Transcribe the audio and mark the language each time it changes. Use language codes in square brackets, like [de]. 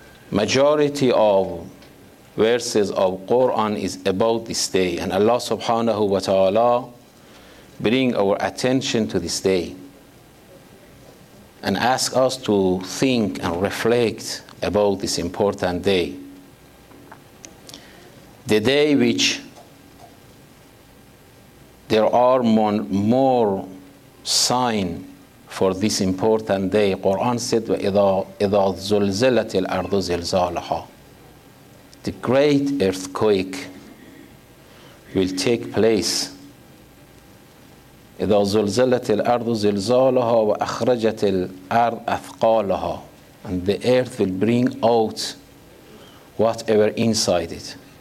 [en] Majority of verses of Quran is about this day, and Allah subhanahu wa ta'ala bring our attention to this day and ask us to think and reflect about this important day. The day which there are more sign for this important day. Quran said, [ar] وَإِذَا زُلْزِلَتِ الْأَرْضُ زِلْزَالَهَا. [en] The great earthquake will take place. [ar] إِذَا زُلْزِلَتِ الْأَرْضُ زِلْزَالَهَا وَأَخْرَجَتِ الْأَرْضُ أَثْقَالَهَا. [en] And the earth will bring out whatever inside it.